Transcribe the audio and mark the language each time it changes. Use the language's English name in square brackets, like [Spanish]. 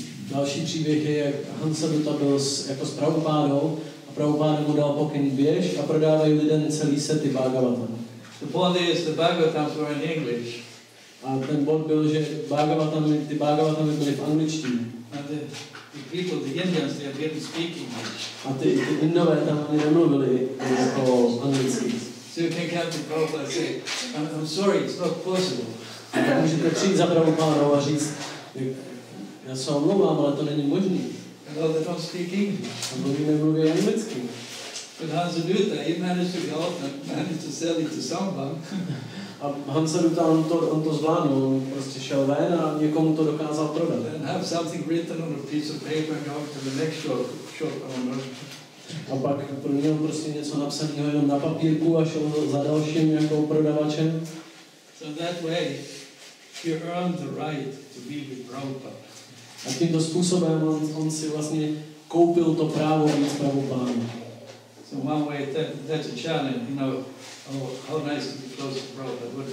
[Czech] Další příběh je, jak Hansaduta byl jako s Prabhupádou a Prabhupáda mu dal pokyn běž a prodávají lidem celý sety Bhagavatam. [English] The point is the Bhagavatams were in English. [Czech] A ten bod byl, že ty Bhagavatamy byly v angličtině. [English] And the people, the Indians, they didn't speak English. [Czech] A ty Indové tam ani nemluvili jako anglicky. [English] So you can come to Prabhupada and say, I'm sorry, it's not possible. [Czech] A můžete přijít za Prabhupádou a říct, já se omlouvám, ale to není možný. [English] And all they don't speak English. [Czech] A oni nemluví anglicky. [English] But Hansaduta, he managed to go out and managed to sell it to someone. [Czech] A Hansaduta, on to zvládnul, on prostě šel ven a někomu to dokázal prodat. [English] And have something written on a piece of paper and go to the next shop owner. [Czech] A pak pro něj prostě něco napsaného jenom na papírku a šel za dalším jako prodavačem. [English] So that way, he earned the right to be with Prabhupada. [Czech] A tímto způsobem on si vlastně koupil to právo být pravopánem. [English] So one way that's a challenge, you know, oh, how nice to be close to brother.